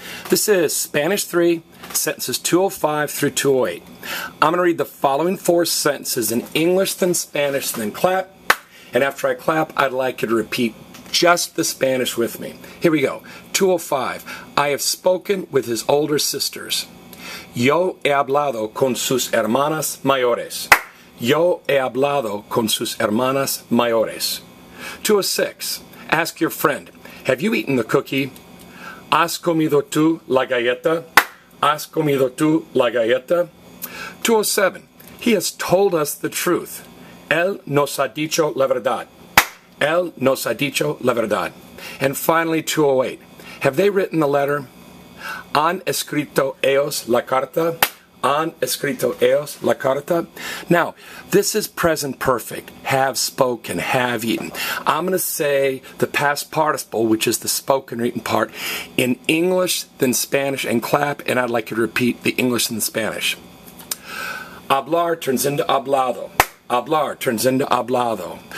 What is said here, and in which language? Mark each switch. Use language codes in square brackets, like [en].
[en] This is Spanish 3, sentences 205 through 208. I'm going to read the following four sentences in English, then Spanish, then clap. And after I clap, I'd like you to repeat just the Spanish with me. Here we go. 205. I have spoken with his older sisters. [es] Yo he hablado con sus hermanas mayores. Yo he hablado con sus hermanas mayores. [en] 206. Ask your friend, have you eaten the cookie? [es] ¿Has comido tú la galleta? ¿Has comido tú la galleta? 207. [en] He has told us the truth. [es] Él nos ha dicho la verdad. Él nos ha dicho la verdad. [en] And finally, 208. Have they written the letter? [es] ¿Han escrito ellos la carta? ¿Han escrito ellos la carta? [en] Now, this is present perfect. Have spoken, have eaten. I'm going to say the past participle, which is the spoken written part, in English, then Spanish, and clap, and I'd like you to repeat the English and the Spanish. Hablar turns into hablado. Hablar turns into hablado.